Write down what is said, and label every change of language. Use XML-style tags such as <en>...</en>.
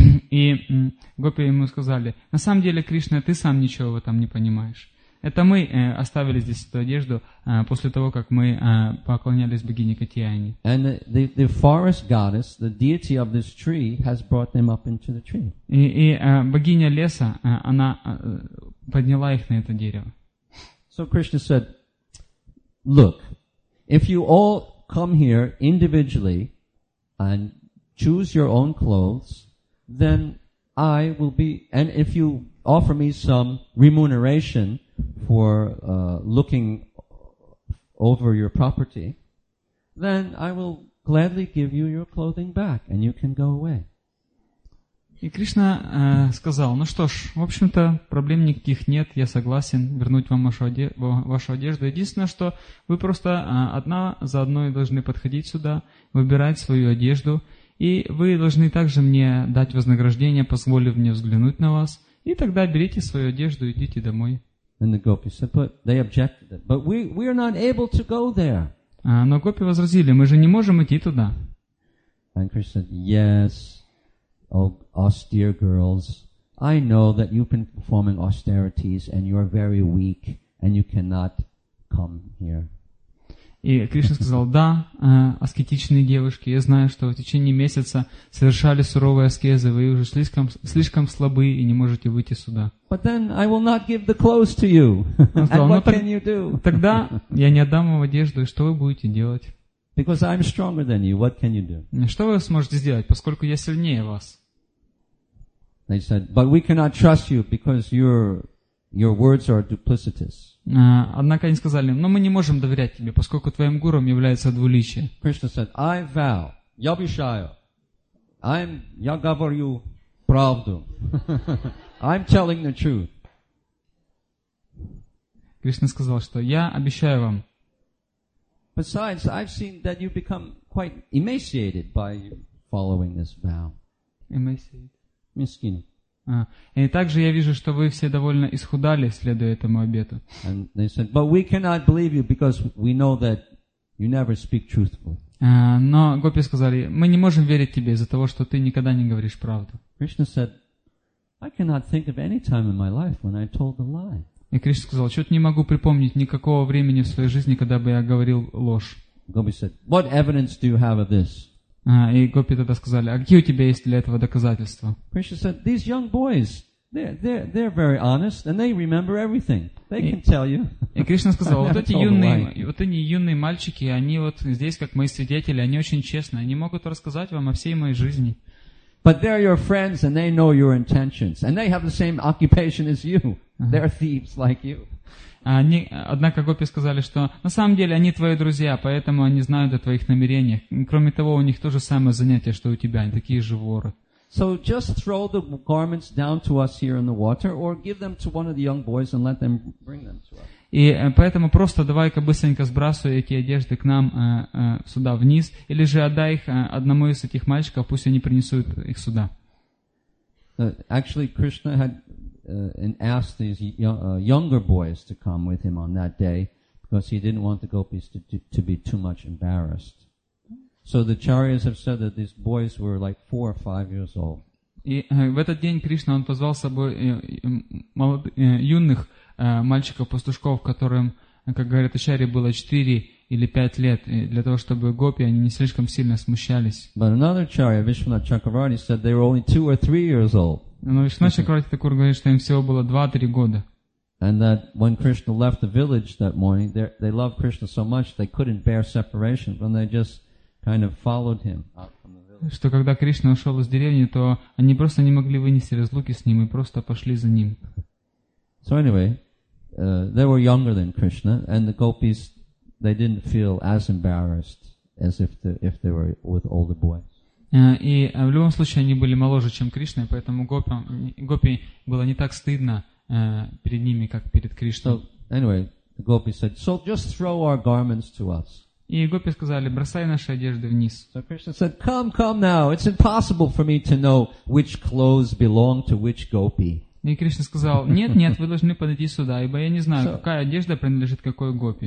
<ru>И гопи ему сказали, на самом деле, Кришна, ты сам ничего в этом не понимаешь. Это мы оставили здесь эту одежду после того, как мы поклонялись богине Катьяйне.</ru> <en>And the forest goddess, the deity of this tree, has brought them up into the tree.</en> <ru>И богиня леса, она подняла их на это дерево.</ru> <en>So Krishna said, look, if you all come here individually and choose your own clothes, then I will be, and if you offer me some remuneration for looking over your property, then I will gladly give you your clothing back and you can go away.</en> <ru>И Кришна сказал, ну что ж, в общем-то, проблем никаких нет, я согласен вернуть вам вашу одежду. Единственное, что вы просто одна за одной должны подходить сюда, выбирать свою одежду, и вы должны также мне дать вознаграждение, позволив мне взглянуть на вас, и тогда берите свою одежду и идите домой.</ru> <en>And the gopi said, but they objected. But we are not able to go there.</en> <ru>Но гопи возразили, мы же не можем идти туда.</ru> <en>And Krishna said, yes, oh, austere girls, I know that you've been performing austerities and you are very weak and you cannot come here.</en> <ru>И Кришна сказал, да, аскетичные девушки, я знаю, что в течение месяца совершали суровые аскезы, вы уже слишком слабы и не можете выйти сюда.</ru> <en>But then I will not give the clothes to you.</en> <ru>Он сказал,</ru> <en>and</en> <ru>ну,</ru> <en>what can you do?</en> <ru>Тогда я не отдам вам одежду, и что вы будете делать?</ru> <en>Because I'm stronger than you, what can you do?</en> <ru>Что вы сможете сделать, поскольку я сильнее вас?</ru> <en>They said, but we cannot trust you because your words are duplicitous.</en> <ru>Однако они сказали, но мы не можем доверять тебе, поскольку твоим гуром является двуличие. Кришна</ru> <en>said, I vow,</en> <ru>я обещаю, я говорю правду.</ru> <en>I'm telling the truth.</en> <ru>Кришна сказал, что я обещаю вам.</ru> <en>Besides, I've seen that you become quite emaciated by following this vow. Emaciated.</en> <ru>Мискин. И также я вижу, что вы все довольно исхудали, следуя этому обету.</ru> <en>And they said, but we cannot believe you because we know that you never speak truthfully.</en> <ru>Но гопи сказали, мы не можем верить тебе из-за того, что ты никогда не говоришь правду.</ru> <en>Krishna said, I cannot think of any time in my life when I told a lie.</en> <ru>И Кришна сказал, что-то не могу припомнить никакого времени в своей жизни, когда бы я говорил ложь.</ru> <en>Gopi said, what evidence do you have of this?</en> <ru>И гопи тогда сказали, а какие у тебя есть для этого доказательства?</ru> <en>Krishna said, these young boys, they're very honest and they remember everything. They can tell you.</en> <ru>И Кришна сказал, вот эти юные мальчики, они вот здесь как мои свидетели, они очень честные, они могут рассказать вам о всей моей жизни.</ru> <en>But they're your friends and they know your intentions and they have the same occupation as you. They're thieves like you.</en> <ru>Однако гопи сказали, что на самом деле они твои друзья, поэтому они знают о твоих намерениях. Кроме того, у них то же самое занятие, что у тебя, они такие же воры.</ru> <en>So just throw the garments down to us here in the water or give them to one of the young boys and let them bring them to us.</en> <ru>И поэтому просто давай-ка быстренько сбрасывай эти одежды к нам сюда вниз или же отдай их одному из этих мальчиков, пусть они принесут их сюда.</ru> <en>Actually, Krishna had and asked these younger boys to come with him on that day, because he didn't want the gopis to be too much embarrassed. So the Charyas have said that these boys were like 4 or 5 years old.</en> <ru>И в этот день Кришна он позвал с собой юных мальчиков-пастушков, которым, как говорят Ачарьи, было 4 или 5 лет, для того, чтобы гопи они не слишком сильно смущались.</ru> <en>But another Charya, Vishwanath Chakravarti, said they were only 2 or 3 years old.</en> <ru>Но Вишванат Чакраварти Такур говорит, что им всего было 2-3 года.</ru> <en>And that when Krishna left the village that morning, they loved Krishna so much they couldn't bear separation, but they just kind of followed him out from the village.</en> <ru>Что когда Кришна ушел из деревни, то они просто не могли вынести разлуки с ним и просто пошли за ним.</ru> <en>So anyway, they were younger than Krishna, and the gopis they didn't feel as embarrassed as if they were with older boys.</en> <ru>И в любом случае они были моложе, чем Кришна, поэтому гопи было не так стыдно перед ними, как перед Кришной.</ru> <en>So, anyway, the gopis said, "So just throw our garments to us."</en> <ru>И гопи сказали, бросай наши одежды вниз.</ru> <en>So Krishna said, "Come, come now. It's impossible for me to know which clothes belong to which gopi."</en> <ru>И Кришна сказал, нет, нет, вы должны подойти сюда, ибо я не знаю, какая одежда принадлежит какой гопи.</ru>